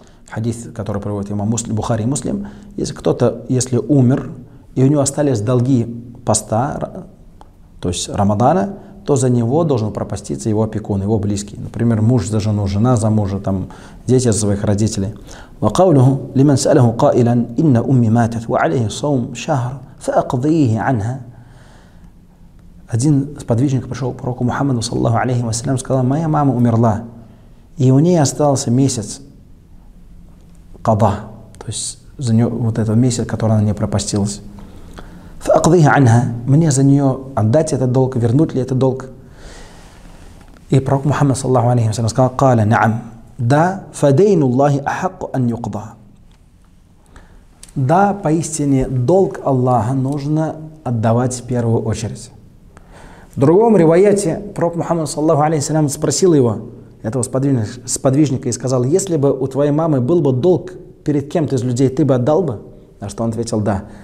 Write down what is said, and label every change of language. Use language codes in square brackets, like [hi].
[ru] Хадис, который приводит имам Бухари и Муслим. Если кто-то, если умер, и у него остались долги поста, то есть Рамадана, то за него должен пропаститься его опекун, его близкий. Например, муж за жену, жена за мужа, там, дети за своих родителей. [ar] وقوله لمن سأله قائلا إن أمي ماتت وعليه صوم شهر فأقضيه عنها. [ru] Один сподвижник пришел к пророку Мухаммаду саллаллаху алейхи ва саллям, сказал: моя мама умерла, и у нее остался месяц када, то есть за нее вот этот месяц, который она не пропастилась. [ar] فأقضيه عنها. [ru] Мне за нее отдать этот долг, вернуть ли этот долг? И пророк Мухаммад саллаллаху алейхи ва саллям сказал: [ar] قال نعم. [ru] Да, [ar] فَدَيْنُ اللَّهِ أَحَقُّ أَنْ يُقْضَى. [ru] Да, поистине, долг Аллаха нужно отдавать в первую очередь. В другом ривайете пророк Мухаммад саллаллаху алейхи ва саллям спросил его, этого сподвижника, и сказал: если бы у твоей мамы был бы долг перед кем-то из людей, ты бы отдал бы? На что он ответил: да.